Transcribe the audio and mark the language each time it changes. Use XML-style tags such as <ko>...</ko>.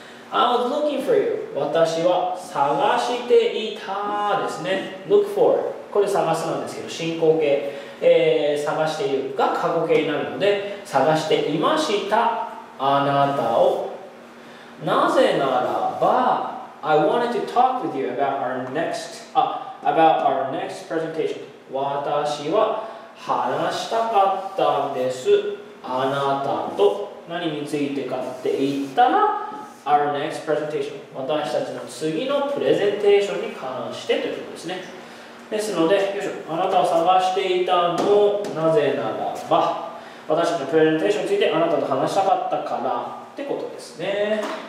<en>I was looking for you.</en> <ja>私は探していたですね。</ja> <en>Look for.</en> <ja>これ探すなんですけど、進行形、探しているが過去形になるので、探していましたあなたを。</ja> <en>なぜならば、I wanted to talk with you about our next, about our next presentation.</en> <ja>私は話したかったんです。あなたと何についてかって言ったら、</ja> <en>Our next presentation.</en> <ja>私たちの次のプレゼンテーションに関してということですね。ですので、よいしょ、あなたを探していたの、なぜならば、私たちのプレゼンテーションについてあなたと話したかったからってことですね。</ja>